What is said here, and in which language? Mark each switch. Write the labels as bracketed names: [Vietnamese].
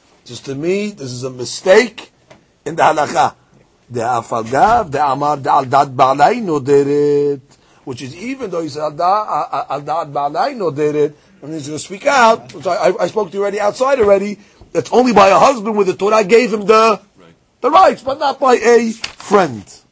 [English] Just to me, this is a mistake in the הלכה. [Aramaic] דאף על גב, דאמר דעל דעת בעלי נודרת. [English] Which is even though he said, [Aramaic] על דעת בעלי נודרת, [English] and he's going to speak out, which I spoke to you already outside already, that's only by a husband where the Torah gave him the rights, but not by a friend.